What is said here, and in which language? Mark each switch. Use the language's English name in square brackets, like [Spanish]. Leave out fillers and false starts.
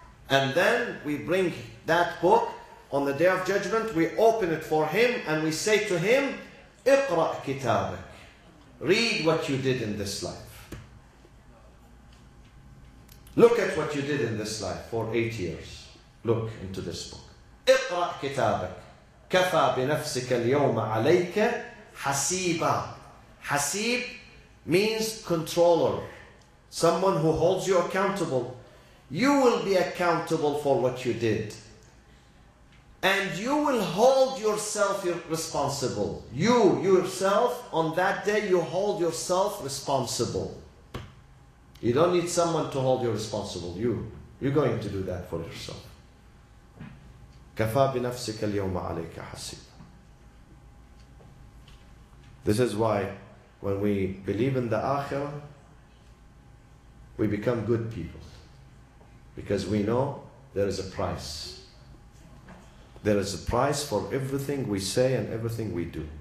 [English] And then we bring that book on the Day of Judgment, we open it for him and we say to him, [Arabic] اقرأ كتابك. [English] Read what you did in this life. Look at what you did in this life for 8 years. Look into this book. [Arabic] اقرأ كتابك. كفى بنفسك اليوم عليك حسيبا. [English] حسيب means controller. Someone who holds you accountable. You will be accountable for what you did. And you will hold yourself responsible. You yourself, on that day, you hold yourself responsible. You don't need someone to hold you responsible. You're going to do that for yourself. [Arabic] كفى بنفسك اليوم عليك حسيب. [English] This is why when we believe in the Akhirah, we become good people. Because we know there is a price. There is a price for everything we say and everything we do.